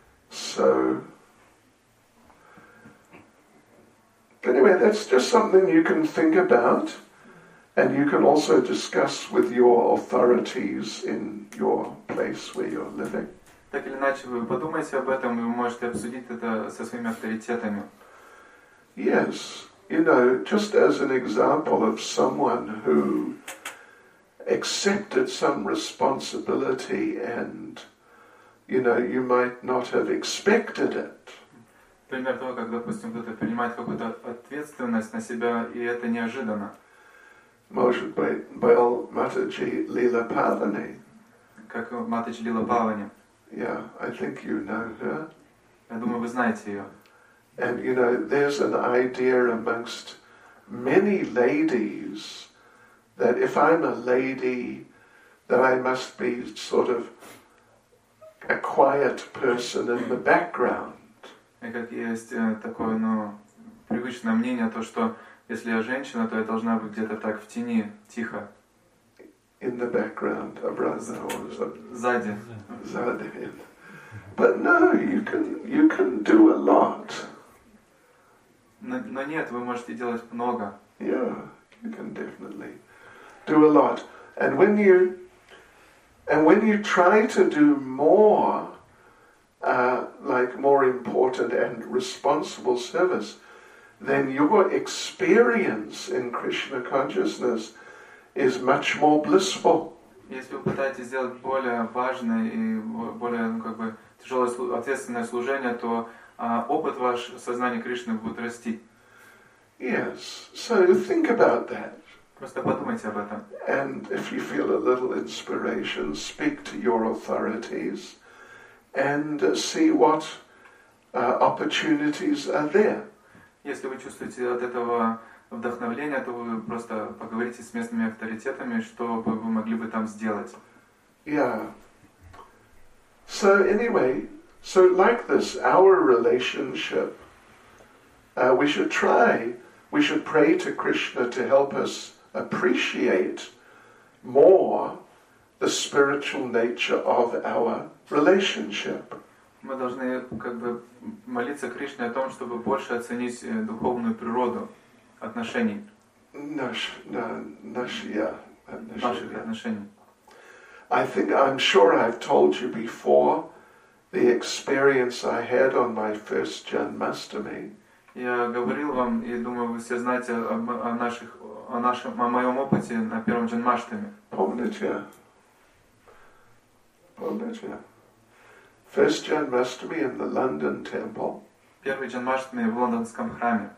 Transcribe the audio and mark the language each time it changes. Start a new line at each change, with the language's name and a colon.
English: So, anyway, that's just something you can think about, and you can also discuss with your authorities in your place where you're living.
Russian: Так или иначе, вы подумайте об этом, и вы можете обсудить это со своими авторитетами.
English: Yes, you know, just as an example of someone who accepted some responsibility, and you know, you might not have expected it.
Russian: Пример того, как, допустим, кто-то принимает какую-то ответственность на себя, и это неожиданно. Может быть, был Матаджи Лила Павани. Как Матаджи Лила Павани.
English: Yeah, I think you know her.
Russian: Я думаю, вы знаете ее.
English: And you know, there's an idea amongst many ladies that if I'm a lady, that I must be sort of a quiet person in the background.
Russian: И как есть такое, ну, привычное мнение, то что если я женщина, то я должна быть где-то так в тени, тихо.
English: In the background, a brother or
Russian: сзади. Сзади.
English: But no, you can do a lot.
Russian: Но нет, вы можете делать много.
English: Yeah, you can definitely do a lot. And when you try to do more, like more important and responsible service, then your experience in Krishna consciousness is much more blissful.
Russian: Если вы пытаетесь сделать более важное и более, ну, как бы тяжелое ответственное служение, то опыт ваш в сознании Кришны будет расти.
English: Yes. So think about that.
Russian: Просто подумайте об этом.
English: And if you feel a little inspiration, speak to your authorities and see what opportunities are there.
Russian: Если вы чувствуете от этого вдохновление, то вы просто поговорите с местными авторитетами, что бы вы могли бы там сделать.
English: Yeah. So anyway, so like this, our relationship, we should pray to Krishna to help us appreciate more the spiritual nature of our relationship.
Russian: Мы должны как бы молиться Кришне о том, чтобы больше оценить духовную природу отношений. Наших отношений.
English: I think I'm sure I've told you before the experience I had on my first Janmashtami.
Russian: Я говорил вам, и думаю, вы все знаете о моем опыте на первом Джанмаштами. Помните?
English: First Janmashtami in the London Temple.
Russian: первый Джанмаштами в лондонском храме.